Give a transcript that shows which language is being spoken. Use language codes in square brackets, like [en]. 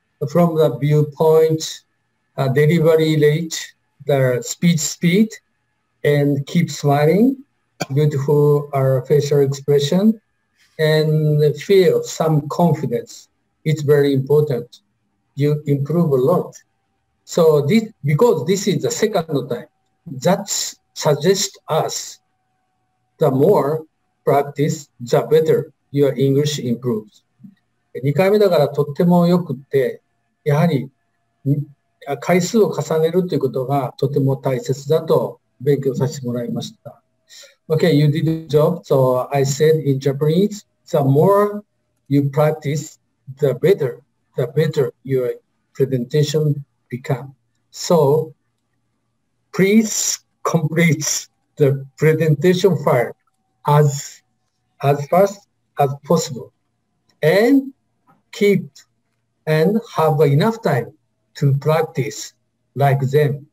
[en] From the viewpoint, delivery rate, the speed, and keep smiling, beautiful facial expression, and feel some confidence. It's very important. You improve a lot. So this, because this is the second time, that suggests us the more practice, the better your English improves. [ja] 2回目だからとってもよくって、やはり回数を重ねるということがとても大切だと勉強させてもらいました。 [en] Okay, you did the job. So I said in Japanese, the more you practice, the better your presentation become. So please complete the presentation file as fast as possible and keep and have enough time to practice like them.